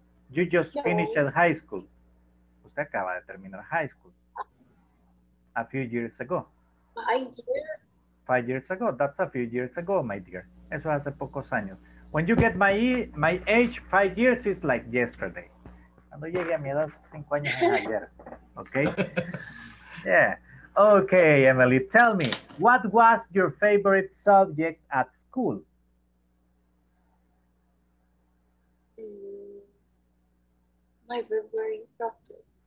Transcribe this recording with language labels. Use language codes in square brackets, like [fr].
[en] You just finished high school. [es] Usted acaba de terminar [en] high school. A few years ago. 5 years. 5 years ago. That's a few years ago, my dear. [es] Eso hace pocos años. [en] When you get my age, 5 years is like yesterday. [es] Cuando llegué a mi edad, 5 años es ayer. [en] Okay? Yeah. Okay, Emily, tell me, what was your favorite subject at school? My favorite subject.